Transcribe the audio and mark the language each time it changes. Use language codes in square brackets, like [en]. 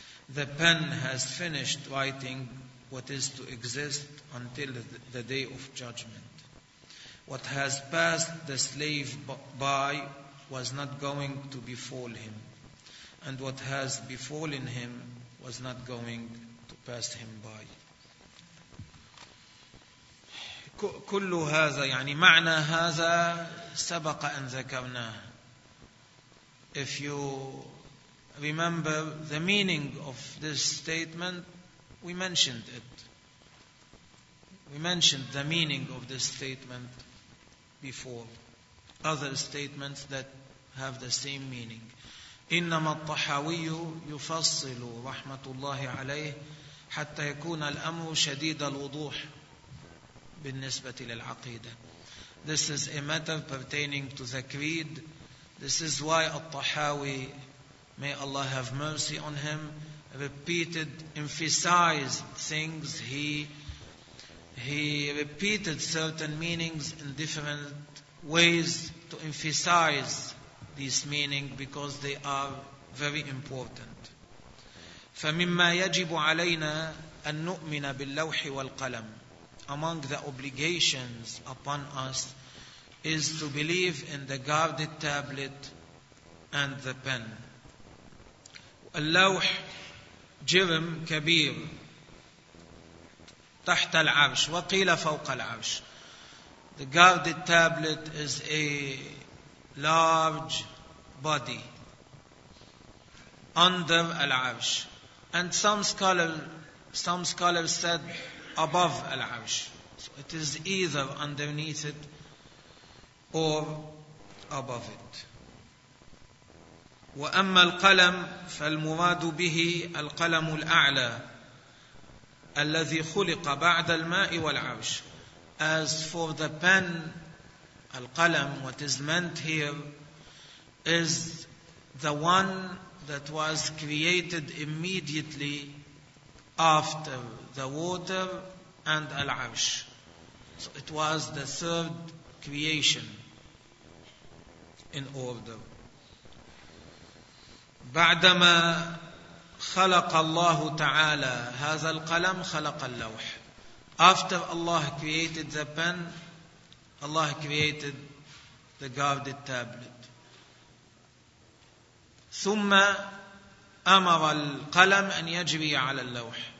[en] The pen has finished writing what is to exist until the day of judgment. What has passed the slave by was not going to befall him, and what has befallen him was not going to pass him by. [ar] كل هذا يعني معنى هذا سبق أن ذكرناه. [en] If you remember the meaning of this statement, we mentioned it. We mentioned the meaning of this statement before. Other statements that have the same meaning. [ar] إنما الطحاوي يفصل رحمة الله عليه حتى يكون الأمر شديد الوضوح بالنسبة للعقيدة. [en] This is a matter pertaining to the creed. This is why الطحاوي, may Allah have mercy on him, repeated, emphasized things. He repeated certain meanings in different ways to emphasize this meaning because they are very important. [ar] فَمِمَّا يَجِبُ عَلَيْنَا أَن نُؤْمِنَ بِاللَّوْحِ وَالْقَلَمِ. [en] Among the obligations upon us is to believe in the guarded tablet and the pen. [ar] اللوح جرم كبير تحت العرش وقيل فوق العرش. [en] The guarded tablet is a large body under العرش. And some scholars said above العرش. So it is either underneath it or above it. [ar] وأما القلم فالمراد به القلم الأعلى الذي خلق بعد الماء والعرش. [en] As for the pen, القلم, what is meant here is the one that was created immediately after the water and العرش. So it was the third creation in order. [ar] بعدما خلق الله تعالى هذا القلم خلق اللوح. [en] After Allah created the pen, Allah created the guarded tablet. [ar] ثم أمر القلم أن يجري على اللوح.